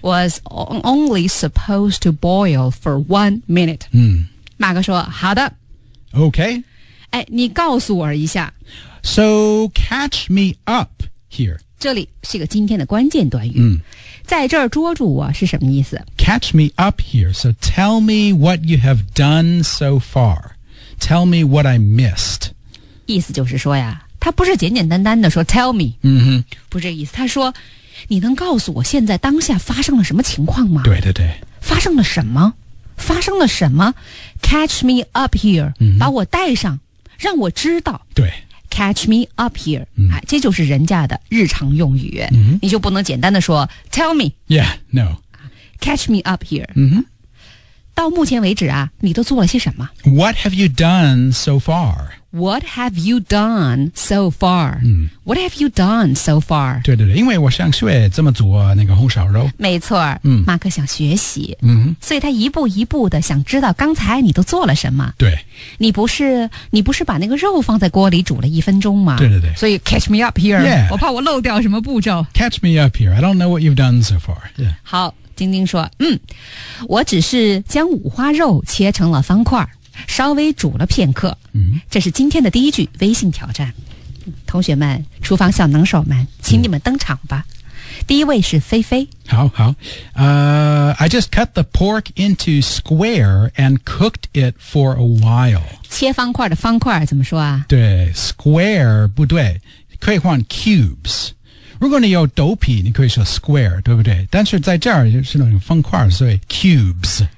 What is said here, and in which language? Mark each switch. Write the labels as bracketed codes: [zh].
[en] Was only supposed to boil for 1 minute. 嗯、mm.。 [zh] 马克说好的。 [en] Okay. [zh] 你告诉我一下。 [en] So, catch me up here. [zh] 这里是一个今天的关键短语。嗯、在这儿捉住我是什么意思？ [en] Catch me up here. So, tell me what you have done so far. Tell me what I missed. [zh] 意思就是说呀，他不是简简单单的说 tell me. 嗯哼。不是这意思，他说你能告诉我现在当下发生了什么情况吗？对对对。发生了什么？发生了什么？ Catch me up here、嗯、把我带上，让我知道。对， [en] Catch me up here、嗯、 [zh] 这就是人家的日常用语、嗯、你就不能简单的说 Tell me. [en] Yeah, no. Catch me up here、嗯、 [zh] 到目前为止啊，你都做了些什么？ [en] What have you done so far? What have you done so far?、嗯、 What have you done so far? [zh] 对对对，因为我想学怎么做那个红烧肉。没错、嗯、马克想学习、嗯、所以他一步一步的想知道刚才你都做了什么。对，你不是把那个肉放在锅里煮了一分钟吗？对对对，所以 catch me up here、 yeah. 我怕我漏掉什么步骤。 [en] Catch me up here, I don't know what you've done so far、yeah. [zh] 好，晶晶说我只是将五花肉切成了方块，稍微煮了片刻。这是今天的第一句微信挑战。同学们，厨房小能手们，请你们登场吧。第一位是菲菲。好好。 [en] I just cut the pork into square and cooked it for a while. [zh] 切方块的方块怎么说啊？对， square 不对，可以换 cubes。如果你有豆皮你可以说 square, 对不对？但是在这儿就是那种方块，所以 cubes。